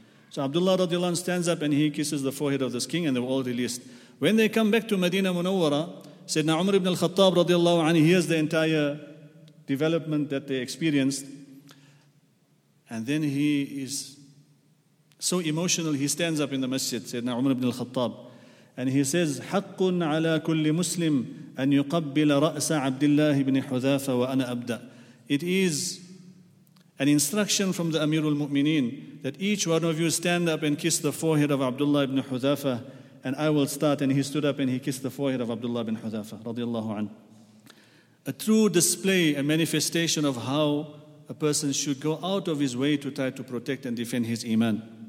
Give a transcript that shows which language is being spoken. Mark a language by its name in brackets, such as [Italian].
[English] So Abdullah radiallahu anhu stands up and he kisses the forehead of this king and they were all released. When they come back to Medina Munawwara, Sayyidina Umar ibn al-Khattab radiallahu anhu, here's the entire development that they experienced. And then he is so emotional, he stands up in the masjid, Sayyidina Umar ibn al-Khattab. [Arabic] And he says, حَقٌّ عَلَىٰ كُلِّ مُسْلِمْ أَنْ يُقَبِّلَ رَأْسَ عَبْدِ اللَّهِ بْنِ حُذَافَ وَأَنَا أَبْدَىٰ. [English] It is an instruction from the Amirul Mu'mineen that each one of you stand up and kiss the forehead of Abdullah ibn Hudhafa, and I will start. And he stood up and he kissed the forehead of Abdullah ibn Hudhafa, radiallahu anhu. A true display, a manifestation of how a person should go out of his way to try to protect and defend his iman.